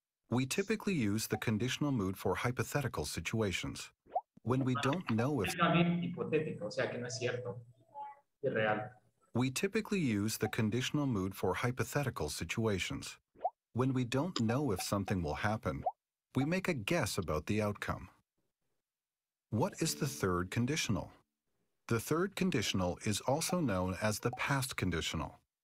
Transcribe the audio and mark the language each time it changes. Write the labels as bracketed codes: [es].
[en] We typically use the conditional mood for hypothetical situations. When we don't know if [es] hipotético, o sea, que no es cierto, irreal. [en] We typically use the conditional mood for hypothetical situations. When we don't know if something will happen, we make a guess about the outcome. What is the third conditional? The third conditional is also known as the past conditional.